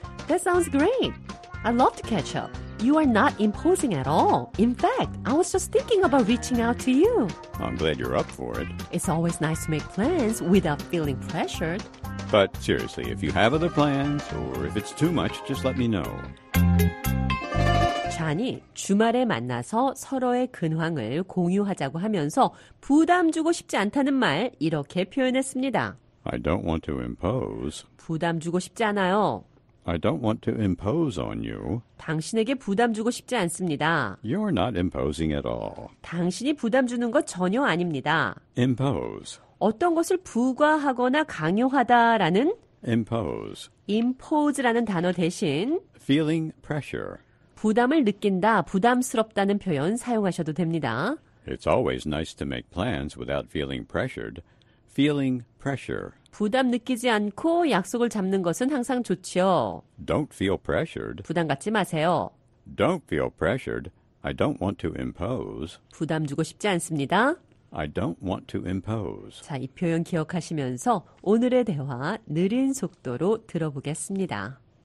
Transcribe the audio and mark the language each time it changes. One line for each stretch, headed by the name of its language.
English: That sounds great. I'd love to catch up. You are not imposing at all. In fact, I was just thinking about reaching out to you. I'm glad you're up for it. It's always nice to make plans without feeling pressured. But seriously, if you have other plans or if it's too much, just let me know.
Korean: 존이 주말에 만나서 서로의 근황을 공유하자고 하면서 부담 주고 싶지 않다는 말 이렇게 표현했습니다.
English: I don't want to impose.
Korean: 부담 주고 싶지 않아요.
English: I don't want to impose on you.
Korean: 당신에게 부담 주고 싶지 않습니다.
English: You're not imposing at all.
Korean: 당신이 부담 주는 것 전혀 아닙니다.
English: Impose.
Korean: 어떤 것을 부과하거나 강요하다라는
English: impose.
Korean: impose라는 단어 대신
English: feeling pressure.
Korean: 부담을 느낀다, 부담스럽다는 표현 사용하셔도 됩니다.
English: It's always nice to make plans without feeling pressured. Feeling pressure.
Korean: 부담 느끼지 않고 약속을 잡는 것은 항상 좋지요.
English: Don't feel pressured.
Korean: 부담 갖지 마세요.
English: Don't feel pressured. I don't want to impose.
Korean: 부담 주고 싶지 않습니다.
English: I don't want to impose.
Korean: 자, 이 표현 기억하시면서 오늘의 대화 느린 속도로 들어보겠습니다.